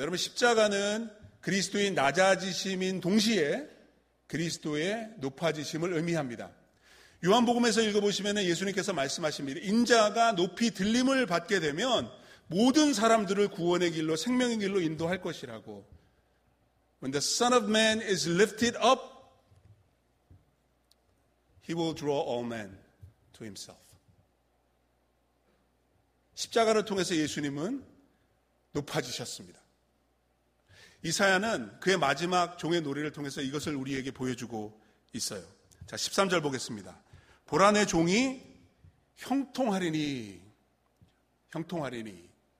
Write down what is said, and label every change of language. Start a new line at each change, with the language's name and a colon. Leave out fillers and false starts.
Korean: 여러분, 십자가는 그리스도의 낮아지심인 동시에 그리스도의 높아지심을 의미합니다. 요한복음에서 읽어보시면 예수님께서 말씀하십니다. 인자가 높이 들림을 받게 되면 모든 사람들을 구원의 길로 생명의 길로 인도할 것이라고.
English: When the Son of Man is lifted up, he will draw all men to himself.
Korean: 십자가를 통해서 예수님은 높아지셨습니다. 이사야는 그의 마지막 종의 노래를 통해서 이것을 우리에게 보여주고 있어요. 자, 13절 보겠습니다. 보라 내 종이 형통하리니, 형통하리니.